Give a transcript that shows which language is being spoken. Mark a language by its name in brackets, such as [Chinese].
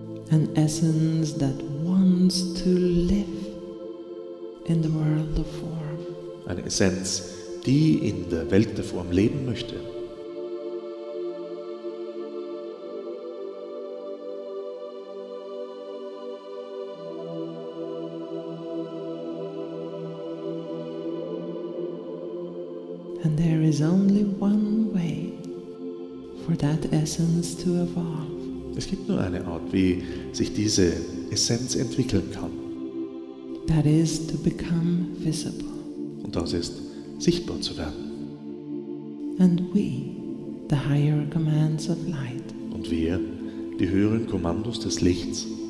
[English] An essence that wants to live in the world of form. [German] Eine Essenz, die in der Welt der Form leben möchte. [English] And there is only one way for that essence to evolve. [German] Es gibt nur eine Art, wie sich diese Essenz entwickeln kann. [English] That is to become visible. [German] Und das ist sichtbar zu werden. [English] And we, the higher commands of light. [German] Und wir, die höheren Kommandos des Lichts.